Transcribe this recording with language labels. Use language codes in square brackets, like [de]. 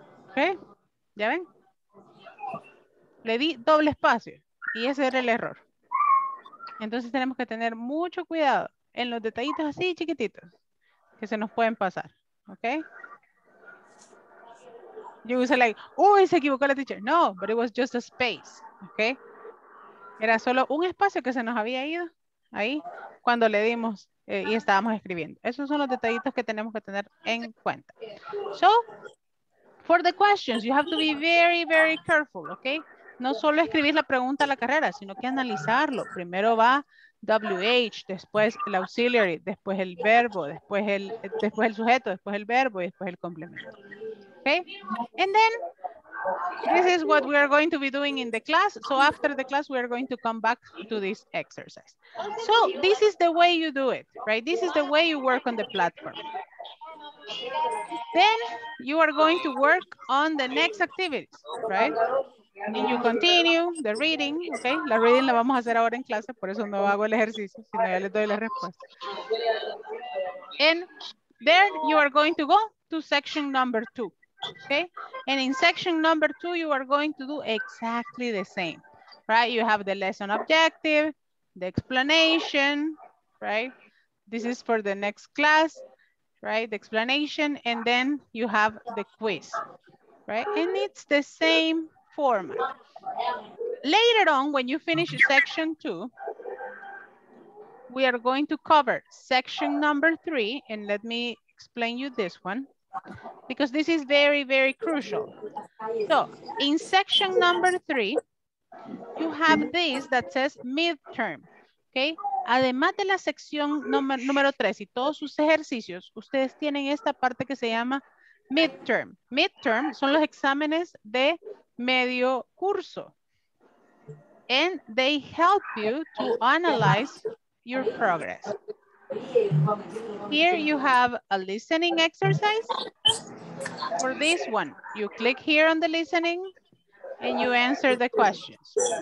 [es] Okay, ya ven. Le di doble espacio y ese era el error. Entonces tenemos que tener mucho cuidado en los detallitos así chiquititos que se nos pueden pasar, ¿ok? [en] You would say like, [es] uy, se equivocó la teacher. [en] No, but it was just a space, ¿ok? [es] Era solo un espacio que se nos había ido ahí cuando le dimos y estábamos escribiendo. Esos son los detallitos que tenemos que tener en cuenta. [en] So, for the questions, you have to be very, very careful, ¿ok? [es] No solo escribir la pregunta a la carrera, sino que analizarlo. Primero va WH, después el auxiliary, después el verbo, después el sujeto, después el verbo y después el complemento. [en] Okay? And then, this is what we are going to be doing in the class. So after the class, we are going to come back to this exercise. So this is the way you do it, right? This is the way you work on the platform. Then you are going to work on the next activities, right? And you continue the reading, okay? [es] La reading la vamos a hacer ahora en clase, por eso no hago el ejercicio, sino ya les doy la respuesta. [en] And then you are going to go to section number 2, okay? And in section number 2, you are going to do exactly the same, right? You have the lesson objective, the explanation, right? This is for the next class, right? The explanation, and then you have the quiz, right? And it's the same format. Later on, when you finish section 2, we are going to cover section number 3, and let me explain you this one, because this is very, very crucial. So, in section number 3, you have this that says midterm, okay? [es] Además de la sección número 3 y todos sus ejercicios, ustedes tienen esta parte que se llama midterm. Midterm son los exámenes de medio curso. [en] And they help you to analyze your progress. Here you have a listening exercise. For this one, you click here on the listening and you answer the questions.